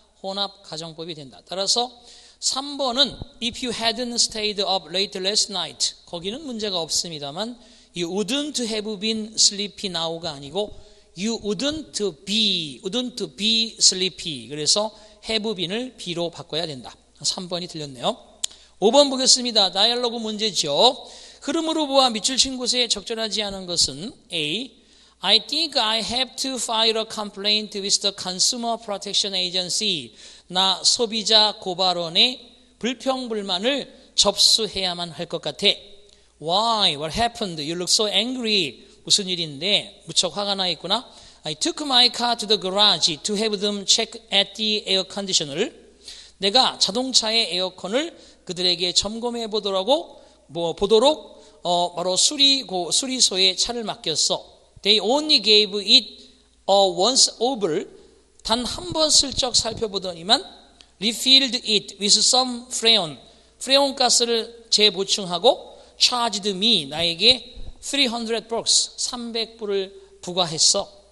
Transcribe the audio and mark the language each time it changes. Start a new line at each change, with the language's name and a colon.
Korean: 혼합 가정법이 된다. 따라서 3번은
English: If you hadn't stayed up late last night,
Korean: 거기는 문제가 없습니다만
English: You wouldn't have been sleepy now가 아니고 You wouldn't be sleepy.
Korean: 그래서 have been을 be로 바꿔야 된다. 3번이 틀렸네요. 5번 보겠습니다. 다이얼로그 문제죠. 흐름으로 보아 미칠신 곳에 적절하지 않은 것은 A.
English: I think I have to file a complaint with the Consumer Protection Agency.
Korean: 나 소비자 고발원에 불평불만을 접수해야만 할 것 같아.
English: Why? What happened? You look so angry.
Korean: 무슨 일인데? 무척 화가 나 있구나.
English: I took my car to the garage to have them check at the air conditioner.
Korean: 내가 자동차의 에어컨을 그들에게 점검해 보도록, 바로 수리소에 차를 맡겼어.
English: They only gave it a once over.
Korean: 단 한 번 슬쩍 살펴보더니만
English: refilled it with some freon.
Korean: 프레온 가스를 재보충하고
English: charged me,
Korean: 나에게
English: 300 bucks,
Korean: 300불을 부과했어.